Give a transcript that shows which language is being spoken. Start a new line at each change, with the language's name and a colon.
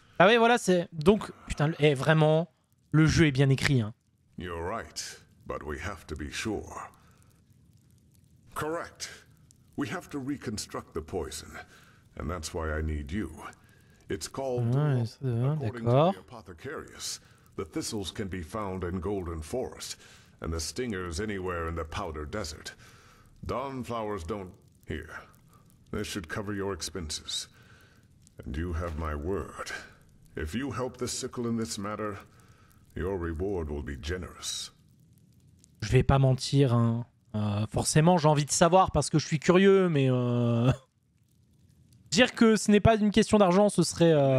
French: Ah oui, voilà, c'est donc putain, est vraiment le jeu est bien écrit, hein.
English: You're right, but we have to be sure. Correct. We have to reconstruct the poison, and that's why I need you. It's called according to the apothecarius, the thistles can be found in Golden Forest, and the stingers anywhere in the Powder Desert. Dawn flowers don't. Here, this should cover your expenses, and you have my word. If you help the sickle in this matter, your reward will be generous.
French: Je vais pas mentir, hein. Forcément, j'ai envie de savoir parce que je suis curieux, mais dire que ce n'est pas une question d'argent, ce serait